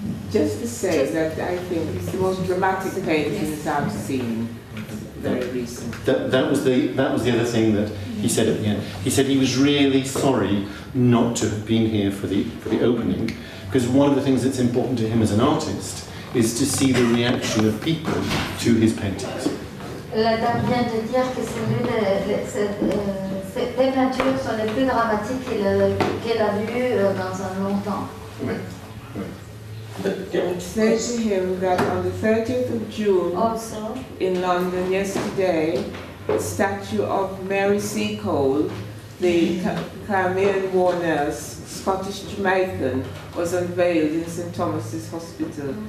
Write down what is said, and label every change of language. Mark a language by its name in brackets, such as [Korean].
[English] Just to say that I think it's the most dramatic painting that I've seen very recently. That was the other thing that he said at the end. He said he was really sorry not to have been here for the opening, because one of the things that's important to him as an artist is to see the reaction of people to his paintings. [French] La dame vient de dire que ces peintures sont les plus dramatiques qu'elle a vues dans un long temps. [English] I'd say to him that on the 30th of June, also in London yesterday, the statue of Mary Seacole, the Crimean War nurse, Scottish-Jamaican was unveiled in St. Thomas's Hospital.